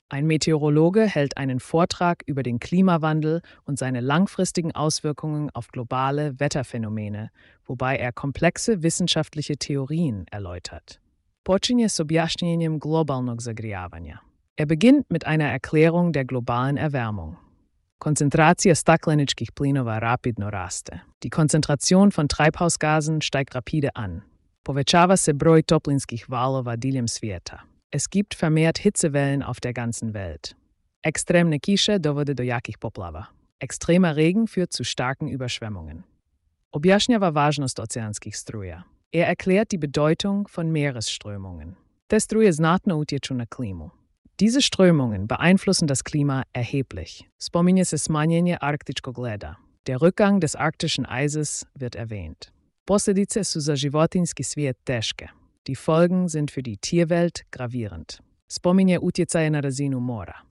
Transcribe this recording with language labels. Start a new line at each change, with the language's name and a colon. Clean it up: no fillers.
German: Ein Meteorologe hält einen Vortrag über den Klimawandel und seine langfristigen Auswirkungen auf globale Wetterphänomene, wobei er komplexe wissenschaftliche Theorien erläutert.
Croatian: Počinje s objašnjenjem globalnog zagrijavanja.
German: Er beginnt mit einer Erklärung der globalen Erwärmung.
Croatian: Konzentracija stakleničkih plinova rapidno raste.
German: Die Konzentration von Treibhausgasen steigt rapide an.
Croatian: Povećava se broj toplinskih valova diljem svijeta.
German: Es gibt vermehrt Hitzewellen auf der ganzen Welt.
Croatian: Extremne kiše dovode do jakih poplava.
German: Extremer Regen führt zu starken Überschwemmungen.
Croatian: Objašnjava važnost oceanskih struja.
German: Er erklärt die Bedeutung von Meeresströmungen.
Croatian: Te struje znatno utječu na klimu.
German: Diese Strömungen beeinflussen das Klima erheblich.
Croatian: Spominje se smanjenje arktičkog leda.
German: Der Rückgang des arktischen Eises wird erwähnt.
Croatian: Posljedice su za životinski svijet teške.
German: Die Folgen sind für die Tierwelt gravierend.
Croatian: Spominje utjecaje na razinu mora.